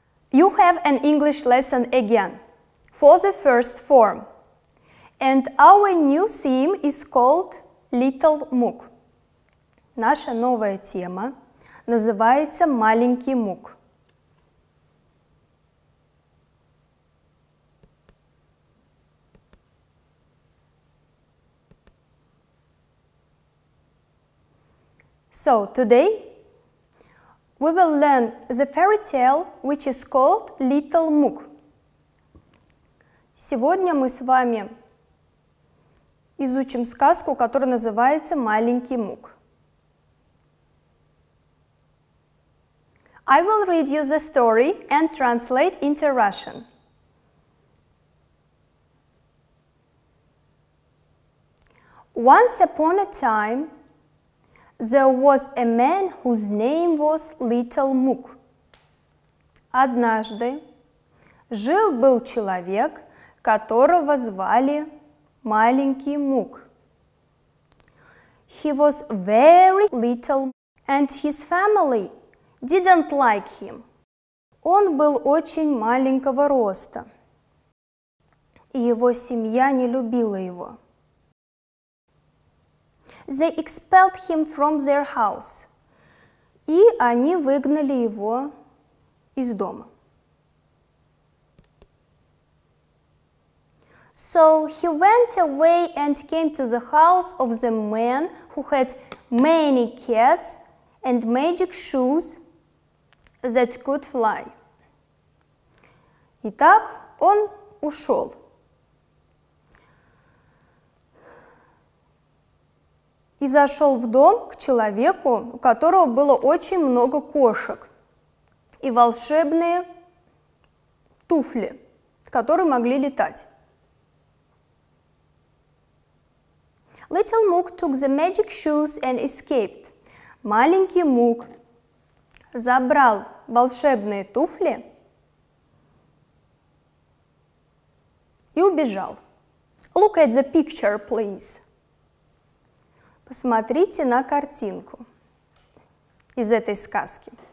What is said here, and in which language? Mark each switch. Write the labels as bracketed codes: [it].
[en] You have an English lesson again for the first form. And our new theme is called Little Mook. [ru] Наша новая тема называется Маленький Мук. [en] So, today we will learn the fairy tale, which is called Little Mook. [ru] Сегодня мы с вами изучим сказку, которая называется «Маленький Мук». [en] I will read you the story and translate into Russian. Once upon a time, there was a man whose name was Little Mook. [ru] Однажды жил-был человек, которого звали Маленький Мук. [en] He was very little and his family didn't like him. [ru] Он был очень маленького роста, и его семья не любила его. [en] They expelled him from their house. [ru] И они выгнали его из дома. [en] So he went away and came to the house of the man who had many cats and magic shoes that could fly. [ru] Итак, он ушел. И зашел в дом к человеку, у которого было очень много кошек и волшебные туфли, которые могли летать. [en] Little Mook took the magic shoes and escaped. [ru] Маленький Мук забрал волшебные туфли и убежал. [en] Look at the picture, please. [ru] Посмотрите на картинку из этой сказки.